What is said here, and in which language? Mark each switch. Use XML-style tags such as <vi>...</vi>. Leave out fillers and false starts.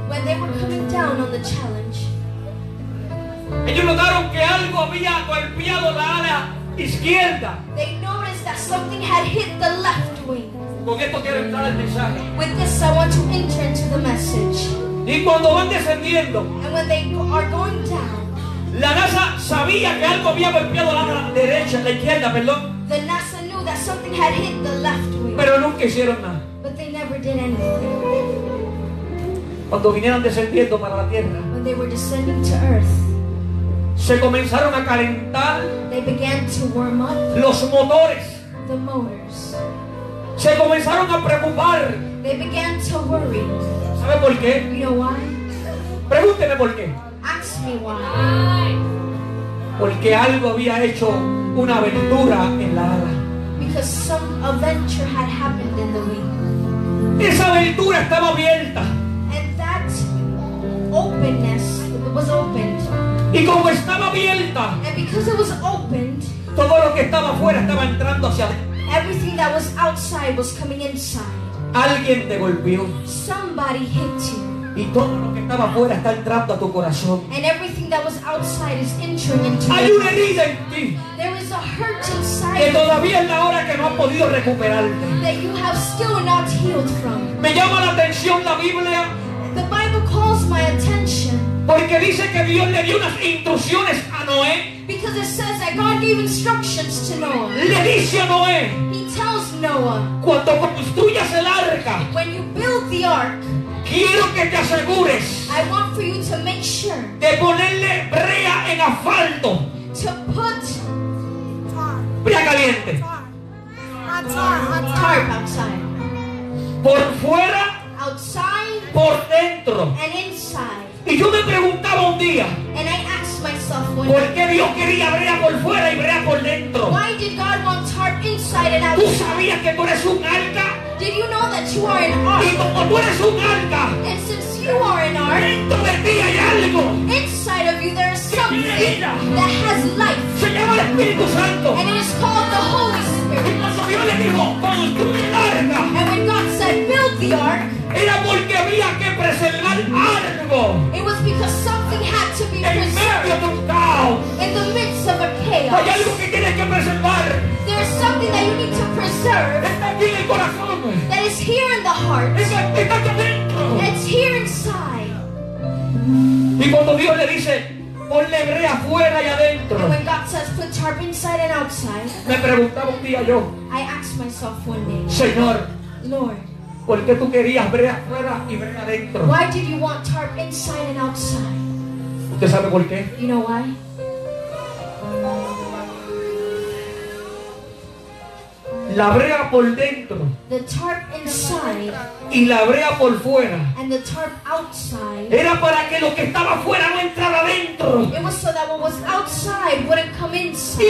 <en>When they were coming down on the challenge.</en> <es>Ellos notaron que algo había golpeado la ala izquierda.</es> <en>They noticed that something had hit the left wing.</en> <es>Con esto quiero entrar al mensaje.</es> <en>With this I want to enter into the message.</en> <es>Y cuando van descendiendo.</es> <en>And when they are going down.</en> <es>La NASA sabía que algo había golpeado la ala derecha, la izquierda, perdón.</es> <en>The NASA knew that something had hit the left wing.</en> <es>Pero nunca hicieron nada.</es> <en>But did anything.</en> <es>Cuando vinieron descendiendo para la tierra,</es> <en>when they were descending to earth,</en> <es>se comenzaron a calentar,</es> <en>they began to warm up,</en> <es>los motores,</es> <en>the motors.</en> <es>Se comenzaron a preocupar.</es> <en>They began to worry.</en> <es>¿Sabe por qué?</es> <en>You know why?</en> <es>Pregúnteme por qué.</es> <en>Ask me why.</en> <es>Porque algo había hecho una aventura en la ala.</es> <en>Because some adventure had happened in the wing.</en> <es>Esa aventura estaba abierta.</es> <en>And that openness was opened.</en> <es>Y como estaba abierta,</es> <en>and because it was opened,</en> <es>todo lo que estaba fuera estaba entrando hacia adentro.</es> <en>Everything that was outside was coming inside.</en> <es>Alguien te golpeó.</es> <en>Somebody hit you.</en> <es>Y todo lo que estaba fuera está entrando a tu corazón.</es> <en>And everything that was outside is entering into.</en> <es>Hay una herida en ti.</es> <en>There is a hurt inside.</en> <es>Que todavía es la hora que no has podido recuperar.</es> <en>That you have still not healed from.</en> <es>Me llama la atención la Biblia.</es> <en>The Bible calls my attention.</en> <es>Porque dice que Dios le dio unas instrucciones a Noé.</es> <en>Because it says that God gave instructions to Noah.</en> <es>Le dice a Noé.</es> <en>He tells Noah.</en> <es>Cuando construyas el arca.</es> <en>When you build the ark.</en> <es>Quiero que te asegures.</es> <en>I want for you to make sure.</en> <es>De ponerle brea en asfalto.</es> <en>To put tarp.</en> <es>Brea caliente.</es> <en>Tarp outside.</en> <es>Por fuera.</es> <en>Outside.</en> <es>Por dentro.</es> <en>And inside.</en> <es>Y yo me preguntaba un día.</es> <en>And I asked myself one day.</en> <es>¿Por qué Dios quería brea por fuera y brea por dentro?</es> <en>Why did God want tarp inside and outside?</en> <es>¿Tú sabías que tú eres un arca?</es> <en>Did you know that you are an ark?</en> <es>Y como tú eres un arca,</es> <en>and since you are an ark,</en> <es>dentro de ti hay algo.</es> <en>Inside of you there is something that has life.</en> <es>Se llama el Espíritu Santo.</es> <en>And it is called the Holy Spirit.</en> <es>Y cuando Dios le dijo, construye el arca.</es> <en>And when God said, build the ark.</en> <es>Era porque había que preservar algo.</es> <en>It was because something had to be preserved.</en> <es>En medio de un caos.</es> <en>In the midst of a chaos.</en> <es>Hay algo que tienes que preservar.</es> <en>There is something that you need to preserve.</en> <es>Está aquí en el corazón.</es> <en>That is here in the heart.</en> <es>Está aquí dentro.</es> <en>It's here inside.</en> <es>Y cuando Dios le dice, ponle brea afuera y adentro.</es> <en>And when God says, put tarp inside and outside.</en> <es>Me preguntaba un día yo.</es> <en>I asked myself one day.</en> <es>Señor.</es> <en>Lord.</en> <es>¿Por qué tú querías brea afuera y brea adentro?</es> <en>Why did you want tarp inside and outside?</en> <es>¿Usted sabe por qué?</es> <en>You know why?</en> <es>La brea por dentro.</es> <en>The tarp inside.</en> <es>Y la brea por fuera.</es> <en>And the tarp outside.</en> <es>Era para que lo que estaba fuera no entrara adentro.</es> <en>It was so that what was outside wouldn't come inside.</en>